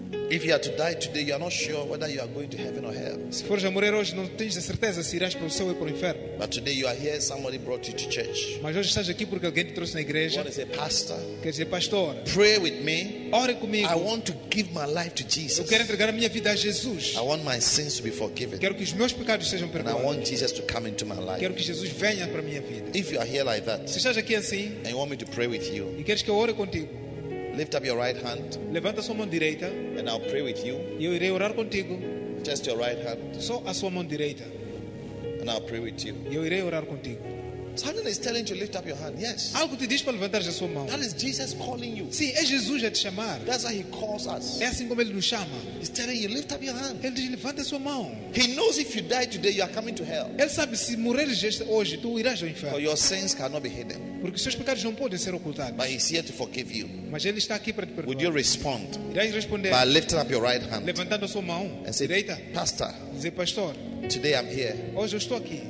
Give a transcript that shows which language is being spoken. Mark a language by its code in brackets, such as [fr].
[en] If you are to die today, you are not sure whether you are going to heaven or hell. [pt] Se fores a morrer hoje, não tens a certeza se irás para o céu ou para o inferno. [en] But today you are here. Somebody brought you to church. [pt] Mas hoje estás aqui porque alguém te trouxe na igreja. [en] You want to say, pastor? [pt] Quer dizer, pastor? [en] Pray with me. [pt] Ore comigo. [en] I want to give my life to Jesus. [pt] Eu quero entregar a minha vida a Jesus. [en] I want my sins to be forgiven. [pt] Quero que os meus pecados sejam perdoados. [en] And I want Jesus to come into my life. [pt] Quero que Jesus venha para a minha vida. [en] If you are here like that, [pt] se estás aqui assim, [en] and you want me to pray with you, [pt] e queres que eu ore contigo. [en] Lift up your right hand. [pt] Levanta sua mão direita. [en] And I'll pray with you. [pt] E eu irei orar contigo. [en] Just your right hand. [pt] Só a sua mão direita. [en] And I'll pray with you. [pt] E eu irei orar contigo. [en] Someone is telling you to lift up your hand. Yes. [pt] Algo te diz para levantar a sua mão. [en] That is Jesus calling you. [pt] Sim, é Jesus a te chamar. [en] That's why he calls us. [pt] É assim como ele nos chama. [en] He's telling you lift up your hand. [pt] Ele diz levanta a sua mão. [en] He knows if you die today you are coming to hell. [pt] Ele sabe se morreres hoje tu irás ao inferno. [en] For your sins cannot be hidden. [pt] Porque seus pecados não podem ser ocultados. [en] But he's here to forgive you. [pt] Mas ele está aqui para te perdoar. [en] Would you respond? [pt] Irás responder? [en] By lifting up your right hand. [pt] Levantando a sua mão. [en] And say, [pt] direita. [en] Pastor. [pt] Dizer pastor. [en] Today I'm here. [pt] Hoje eu estou aqui.